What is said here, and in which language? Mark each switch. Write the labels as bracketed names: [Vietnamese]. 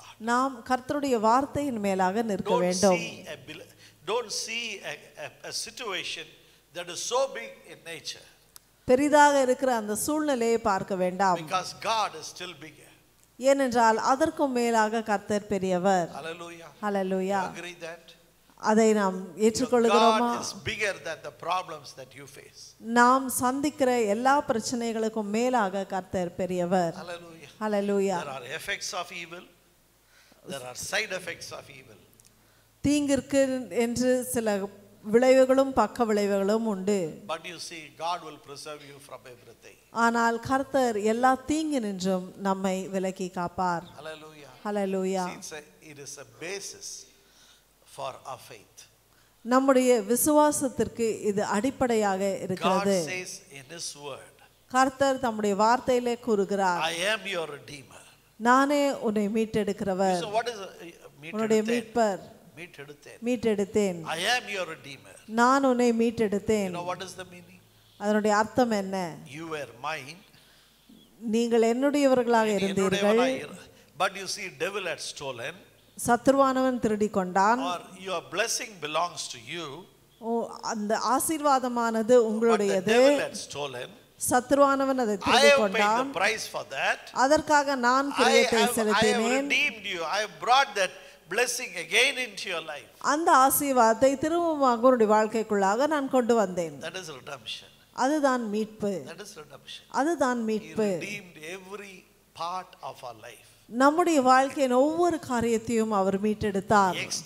[Tamil] நாம் கர்த்தருடைய வார்த்தையின் மேலாக நிற்க வேண்டும். [English] Don't see a situation that is so big in nature. [Tamil] பெரிதாக இருக்கிற அந்த சூழ்நிலையை பார்க்க வேண்டாம். [English] Because God is still bigger. [Tamil] ஏனென்றால் அதற்கும் மேலாக கர்த்தர் பெரியவர். [English] Hallelujah. Agree that. [Tamil] அதை நாம் ஏற்றுக்கொள்கிறோமா? [English] God is bigger than the problems that you face. [Tamil] நாம் சந்திக்கிற எல்லா பிரச்சனைகளுக்கும் மேலாக கர்த்தர் பெரியவர். [English] Hallelujah. Hallelujah. There are effects of evil. There are side effects of evil. [Tamil] தீங்கிற்கு என்று சில விளைவுகளும் பக்க விளைவுகளும் உண்டு. [English] But you see, God will preserve you from everything. [Tamil] ஆனால் கர்த்தர் எல்லா தீங்கினின்றும் நம்மை விலக்கி காப்பார். [English] Hallelujah. Hallelujah. It is a basis for our faith. [Tamil] நம்முடைய விசுவாசத்திற்கு இது அடிப்படையாக இருக்கிறது. [English] God says in his word. [Tamil] கர்த்தர் தம்முடைய வார்த்தையிலே கூறுகிறார். [English] I am your redeemer. [Tamil] நானே உன்னை மீட்டெடுக்கிறவர். [English] So what is [Tamil] மீட்டெடுத்தேன்? மீட்பர். [English] மீட்டெடுத்தேன். I am your redeemer. [Tamil] நான் உன்னை மீட்டெடுத்தேன். [English] You know what is the meaning? [Tamil] அதனுடைய அர்த்தம் என்ன? [English] You were mine. [Tamil] நீங்கள் என்னுடையவர்களாக இருந்தீர்கள். [English] But you see, devil had stolen. [Tamil] சத்ருவானவன் திருடி கொண்டான். [English] Or your blessing belongs to you. [Tamil] ஓ, அந்த ஆசீர்வாதமானது உங்களுடையது. சத்ருவானவன் அதை திருடி கொண்டான். [English] I have paid the price for that. [Tamil] அதற்காக நான் கிரயத்தை செலுத்தினேன். [English] I have redeemed you. I have brought that blessing again into your life. [Tamil] அந்த ஆசீர்வாதத்தை திரும்பவும் உங்களுடைய வாழ்க்கைக்குள்ளாக நான் கொண்டு வந்தேன். [English] That is redemption. [Tamil] அதுதான் மீட்பு. [English] That is redemption. [Tamil] அதுதான் மீட்பு. [English] He redeemed every part of our life. [Tamil] நம்முடைய வாழ்க்கையின் ஒவ்வொரு காரியத்தையும் அவர் மீட்டெடுத்தார்.